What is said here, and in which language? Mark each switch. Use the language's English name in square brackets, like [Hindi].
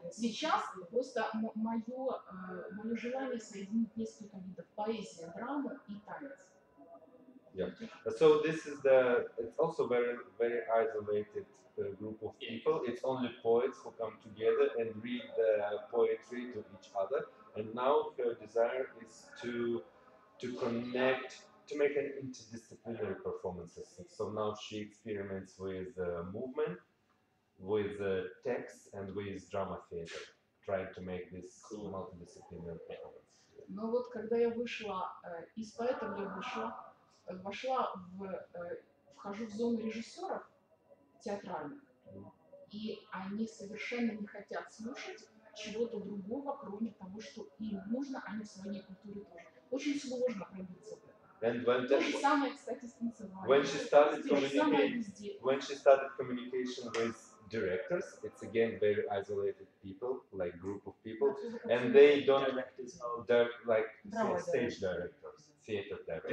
[Russian] Сейчас просто мое желание соединить несколько видов поэзия, драма и танец. [English] Yeah. So this is the. It's also very, very isolated group of people. It's only poets who come together and read the poetry to each other. And now her desire is to connect. To make an interdisciplinary performance. So now she experiments with movement, with text, and with drama theater, trying to make this cool. Multidisciplinary performance. [Russian] Но вот когда я вышла из поэта, я вышла, вошла в, вхожу в зону режиссеров театральных, и они совершенно не хотят слушать чего-то другого, кроме того, что им нужно, они в своей культуре тоже. Очень сложно пробиться. [English] And when she started communication with directors, it's again very isolated people, like group of people, and they don't directors direct, like say, stage directors, theater directors.